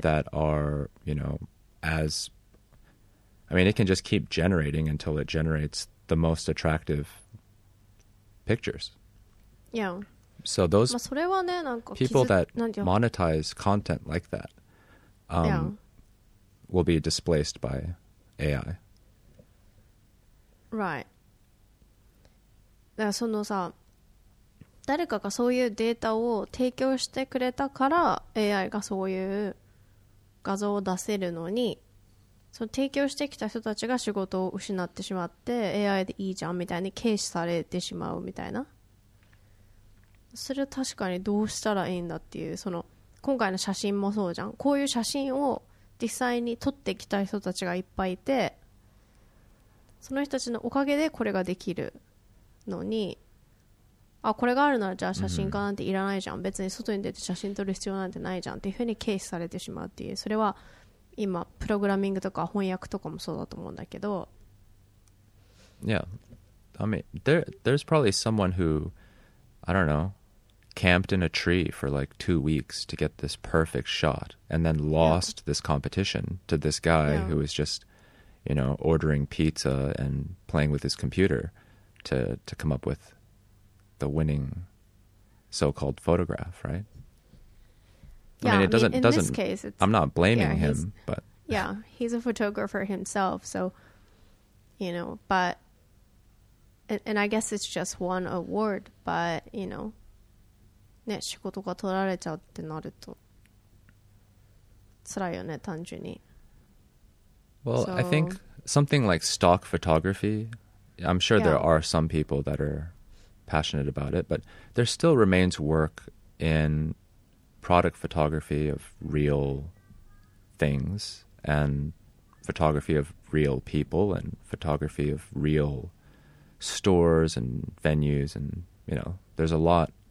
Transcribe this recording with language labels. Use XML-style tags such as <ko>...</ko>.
<en>That are, you know, as, I mean, it can just keep generating until it generates the most attractive pictures. Yeah. So those people that monetize content like that will be displaced by AI. Right.</en> <ja>だからそのさ、誰かがそういうデータを提供してくれたから AI がそういう画像を出せるのに、その提供してきた人たちが仕事を失ってしまって AI でいいじゃんみたいに軽視されてしまうみたいな。それは確かにどうしたらいいんだっていう、その今回の写真もそうじゃん。こういう写真を実際に撮ってきた人たちがいっぱいいて、その人たちのおかげでこれができるのに、あ、これがあるならじゃあ写真家なんていらないじゃん、別に外に出て写真撮る必要なんてないじゃんっていうふうに軽視されてしまうっていう。それは今プログラミングとか翻訳とかもそうだと思うんだけど。</ja> <en>Yeah, I mean, there's probably someone who, I don't know, camped in a tree for like 2 weeks to get this perfect shot and then lost this competition to this guy who was just, you know, ordering pizza and playing with his computer to come up with the winning so-called photograph, right? Yeah, I mean, in this case, I'm not blaming him, but... Yeah, he's a photographer himself, so, you know, but... And I guess it's just one award, but, you know...</en> <ja>ね、仕事が取られちゃうってなると辛いよね、単純に。</ja> <en>Well, so, I think something like stock photography, I'm sure there are some people that are passionate about it, but there still remains work in product photography of real things and photography of real people and photography of real stores and venues, and, you know, there's a lot</en>